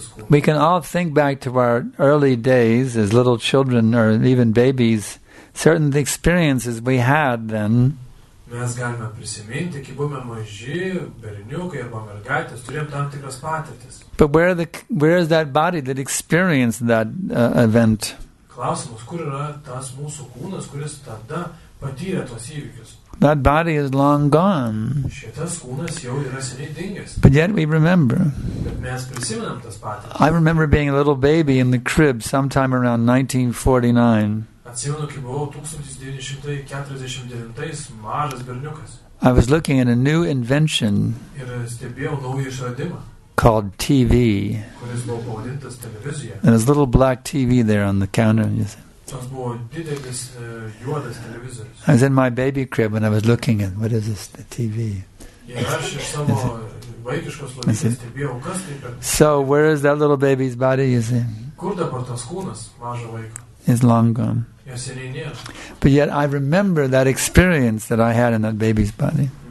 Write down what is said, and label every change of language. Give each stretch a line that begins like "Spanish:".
English: We can all think back to our early days as little children or even babies, certain experiences we had then.
Lithuanian: Mes galime prisiminti, kai buvome maži berniukai arba mergaitės, turėjom tam tikras patirtis.
English: But where is that body that experienced that event?
Lithuanian: Klausimas, kur yra tas mūsų kūnas, kuris tada patyrė tuos įvykius?
English: That body is long gone.
Lithuanian: Šitas kūnas jau yra seniai dingęs.
English: But yet we remember.
Lithuanian: Bet mes prisimenam tas patirtis.
English: I remember being a little baby in the crib sometime around 1949.
Lithuanian: Atsimenu, kai buvau 1949 mažas berniukas.
English: I was looking at a new invention.
Lithuanian: Ir stebėjau naują išradimą.
English: Called TV.
Lithuanian: Kuris buvo pavadintas televizija.
English: And this little black TV there on the counter. You see.
Lithuanian: Tas buvo didelis juodas televizorius.
English: I was in my baby crib and I was looking at, what is this, the TV?
Lithuanian: Ir aš iš savo vaikiškos lovytės stebėjau, kas tai per...
English: So, where is that little baby's body, you see?
Lithuanian: Kur dabar tas kūnas mažo vaiko?
English: Is long gone. Yes, but yet I remember that experience that I had in that baby's body.